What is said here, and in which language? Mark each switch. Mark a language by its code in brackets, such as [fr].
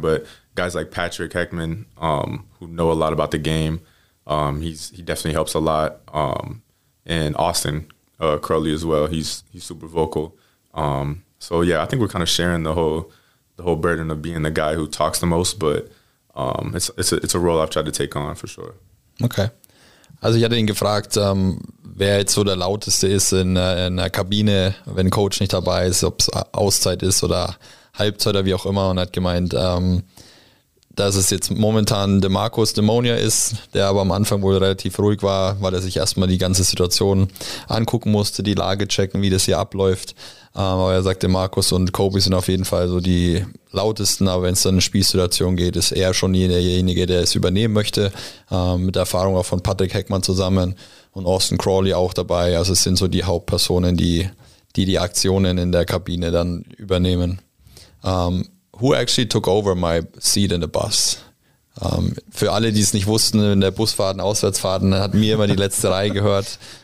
[en] But guys like Patrick Heckman, who know a lot about the game, he definitely helps a lot. And Austin Crowley as well. He's super vocal. So yeah, I think we're kind of sharing the whole burden of being the guy who talks the most. But it's a role I've tried to take on for sure. Okay. [de] Also ich hatte ihn gefragt, wer jetzt so der Lauteste ist in der Kabine, wenn Coach nicht dabei ist, ob es Auszeit ist oder Halbzeit oder wie auch immer, und hat gemeint, dass es jetzt momentan DeMarcus Demonia ist, der aber am Anfang wohl relativ ruhig war, weil er sich erstmal die ganze Situation angucken musste, die Lage checken, wie das hier abläuft. Aber er sagt, DeMarcus und Kobe sind auf jeden Fall so die lautesten, aber wenn es dann in eine Spielsituation geht, ist er schon derjenige, der es übernehmen möchte, mit Erfahrung auch von Patrick Heckmann zusammen und Austin Crawley auch dabei. Also es sind so die Hauptpersonen, die Aktionen in der Kabine dann übernehmen. [en] Who actually took over my seat in the bus? [de] Für alle, die es nicht wussten, in der Busfahrten, Auswärtsfahrten, hat mir immer die letzte Reihe gehört.